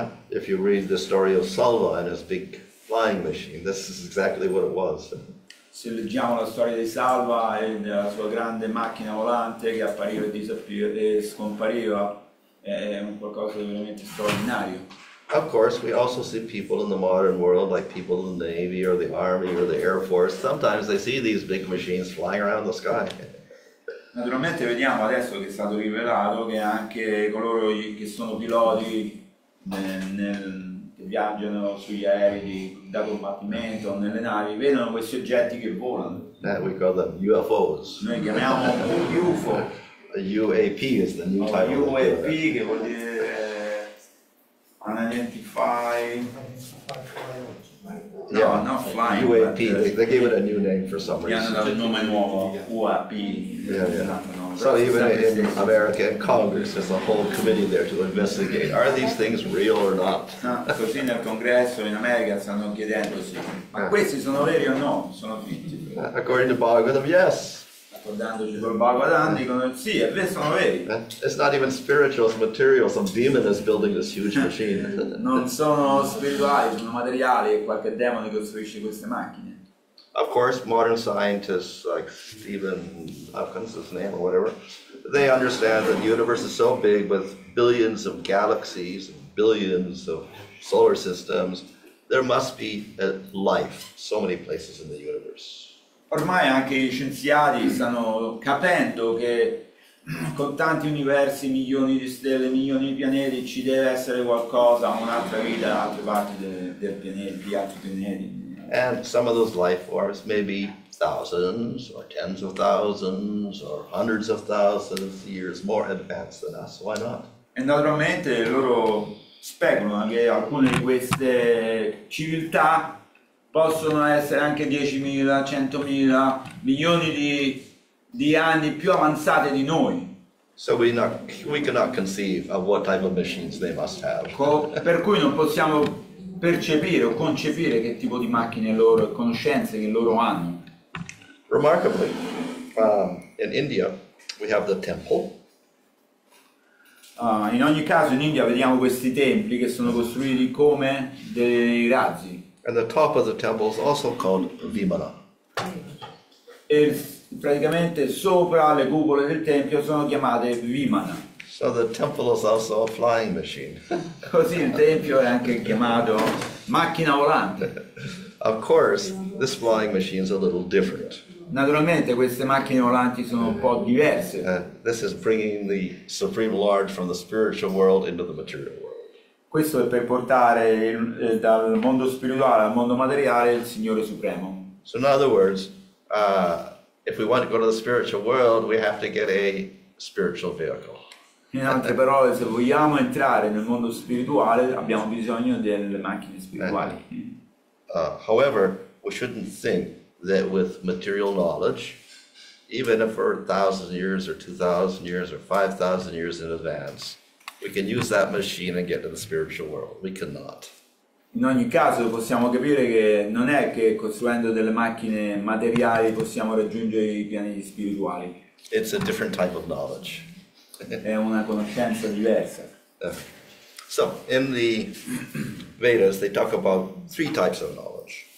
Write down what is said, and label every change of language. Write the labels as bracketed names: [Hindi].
[English] If you read the story of Salva and his big flying machine, this is exactly what it was. [Italian] Se leggiamo la storia di Salva e della sua grande macchina volante che appariva e scompariva, è un qualcosa di veramente straordinario. [English] Of course, we also see people in the modern world, like people in the Navy or the Army or the Air Force. Sometimes they see these big machines flying around the sky. [Italian] Naturalmente vediamo adesso che è stato rivelato che anche coloro che sono piloti che viaggiano sugli aerei da combattimento nelle navi vedono questi oggetti che volano. [English] We call them UFOs. [Italian] Noi chiamiamo un UFO. [English] UAP is the new title. [Italian] UAP che vuol dire unidentified. [English] yeah, not flying, UAP. They gave it a new name for some reason. [Italian] Yeah, no, nome nuovo, UAP. [English] Yeah, yeah. So even in America, in Congress, there's a whole committee there to investigate: are these things real or not? [Italian] No, così nel Congresso in America stanno chiedendosi: ma questi sono veri o no? Sono finti. [English] According to Bhagavatam, yes. [Italian] Ricordandoci col Bhagavatam, dicono sì, è vero, sono veri. [English] It's not even spiritual, it's material. Some demon is building this huge machine. [Italian] Non sono spirituali, sono materiali, e qualche demone costruisce queste macchine. [English] Of course, modern scientists like Stephen Hopkins, his name or whatever, they understand that the universe is so big with billions of galaxies, billions of solar systems, there must be a life so many places in the universe. [Italian] Ormai anche gli scienziati stanno capendo che con tanti universi, milioni di stelle, milioni di pianeti, ci deve essere qualcosa, un'altra vita da altre parti del pianeta, di altri pianeti. [English] And some of those life forms may be thousands or tens of thousands or hundreds of thousands of years more advanced than us. Why not? [Italian] E naturalmente loro speculano che alcune di queste civiltà possono essere anche 10.000, 100.000, milioni di anni più avanzate di noi. [English] So we cannot conceive of what type of machines they must have. [Italian] Per cui non possiamo percepire o concepire che tipo di macchine loro e conoscenze che loro hanno. [English] Remarkably, in India we have the temple. [Italian] In ogni caso, in India vediamo questi templi che sono costruiti come dei razzi. [English] And the top of the temple is also called Vimana. [Italian] E praticamente sopra le cupole del tempio sono chiamate Vimana. [English] So the temple is also a flying machine. [Italian] Così il tempio è anche chiamato macchina volante. [English] Of course, this flying machine is a little different. [Italian] Naturalmente queste macchine volanti sono un po' diverse. [English] This is bringing the supreme lord from the spiritual world into the material world. [Italian] Questo è per portare dal mondo spirituale al mondo materiale il Signore Supremo. [English] So in other words, if we want to go to the spiritual world, we have to get a spiritual vehicle. [Italian] In altre parole, se vogliamo entrare nel mondo spirituale, abbiamo bisogno delle macchine spirituali. [English] However, we shouldn't think that with material knowledge, even if for 1,000 years or 2,000 years or 5,000 years in advance, we can use that machine and get to the spiritual world. We cannot. [Italian] In ogni caso, possiamo capire che non è che costruendo delle macchine materiali possiamo raggiungere i piani spirituali. [English] It's a different type of knowledge. [Italian] È una conoscenza diversa. [English] So, in the Vedas they talk about three types of knowledge.